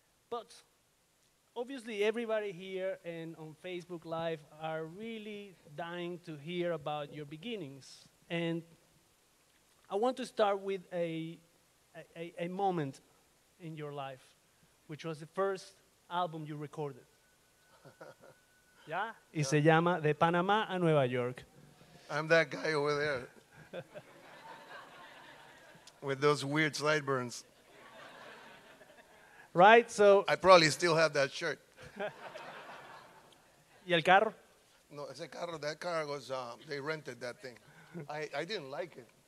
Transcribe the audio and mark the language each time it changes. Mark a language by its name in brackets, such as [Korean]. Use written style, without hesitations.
[English] But obviously, everybody here and on Facebook Live are really dying to hear about your beginnings. And I want to start with a moment in your life, which was the first album you recorded. Yeah? [Spanish] Y se llama De Panamá a Nueva York. [English] I'm that guy over there with those weird sideburns. Right, so... I probably still have that shirt. [Spanish] ¿Y el carro? No, ese carro, [English] that car was... they rented that thing. I didn't like it.